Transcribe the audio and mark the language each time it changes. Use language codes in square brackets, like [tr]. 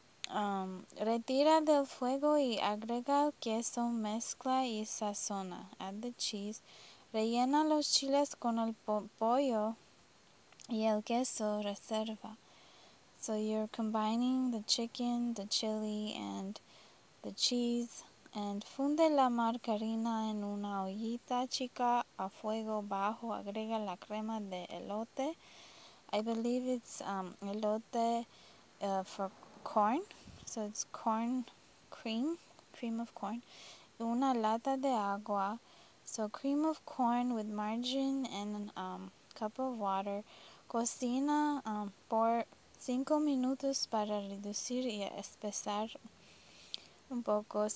[es] Retira del fuego y agrega el queso, mezcla y sazona. [en] Add the cheese. [es] Rellena los chiles con el po pollo y el queso reserva. [en] So you're combining the chicken, the chili, and the cheese. [es] And funde la margarina en una ollita chica a fuego bajo. Agrega la crema de elote. [en] I believe it's elote for corn. So it's corn cream, cream of corn. [es] Una lata de agua. [en] So cream of corn with margarine and cup of water. [es] Cocina por 5 minutos para reducir y espesar un poco.